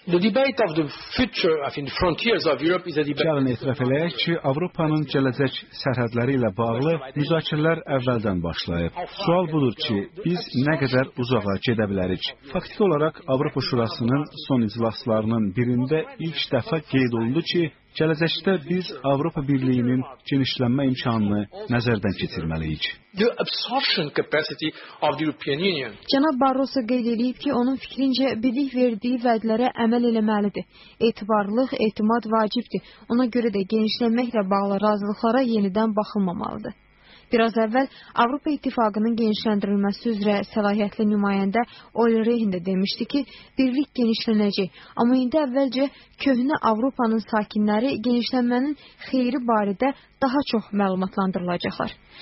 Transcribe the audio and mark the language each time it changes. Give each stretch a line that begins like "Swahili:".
Azerbaijani: Gəlin etiraf eləyək ki, Avropanın gələcək sərhədləri ilə bağlı müzakirələr əvvəldən başlayıb. Sual budur ki, biz nə qədər uzağa gedə bilərik? Faktiki olaraq, Avropa Şurasının son iclaslarının birində ilk dəfə qeyd olundu ki, gələcəkdə biz Avropa Birliyinin genişlənmə imkanını nəzərdən keçirməliyik.
English: The absorption capacity of the European Union.
Azerbaijani: Cənab Barroso qeyd edib ki, onun fikrincə birlik verdiyi vədlərə əməl eləməlidir. Etibarlılıq, etimad vacibdir. Ona görə də genişlənməklə bağlı razılıqlara yenidən baxılmamalıdır. Biraz əvvəl Avropa İttifaqının genişləndirilməsi üzrə səlahiyyətli nümayəndə Olli Rehn də demişdi ki, birlik genişlənəcək, amma indi əvvəlcə köhnə Avropanın sakinləri genişlənmənin xeyri barədə daha çox məlumatlandırılacaqlar.